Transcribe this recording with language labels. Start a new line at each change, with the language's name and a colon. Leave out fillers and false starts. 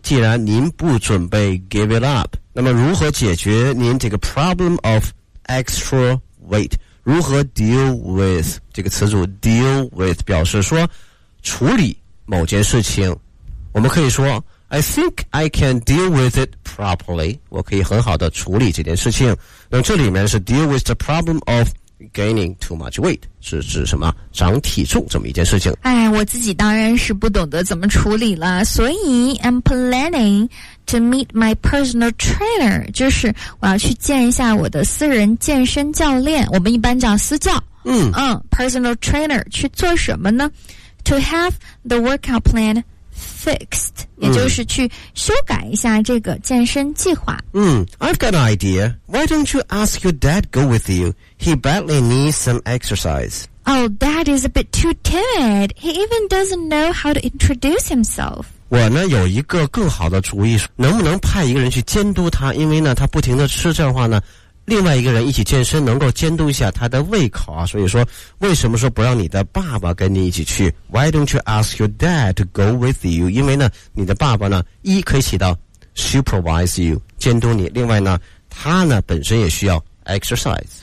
Chinese: 既然您不准备 give it up, 那么如何解决您这个 problem of extra weight? 如何 deal with, 这个词组 deal with 表示说处理某件事情。
English: 我们可以说 I think I can deal with it properly.
Chinese: 我可以很好的处理这件事情。那这里面是 deal with the problem of gaining too much weight, 是指什么长体重这么一件事情。哎，我自己当然是不懂得怎么处理了。所以 I'm planning to meet my personal trainer, 就是我要去见一下我的私人健身教练。我们一般叫私教。
English: Personal trainer, 去做什么呢 ?To have the workout plan fixed.
Chinese: 也就是去修改一下这个健身计划。
English: I've got an idea. Why don't you ask your dad go with you? He badly needs some exercise. Oh, dad is a bit too timid. He even doesn't know how to introduce himself.
Chinese: 我呢有一个更好的主意，能不能派一个人去监督他？因为呢他不停的吃这样的话呢，另外一个人一起健身能够监督一下他的胃口啊。所以说，为什么说不让你的爸爸跟你一起去 ？ Why don't you ask your dad to go with you？因为呢，你的爸爸呢，一可以起到 supervise you 监督你，另外呢，他呢本身也需要 exercise。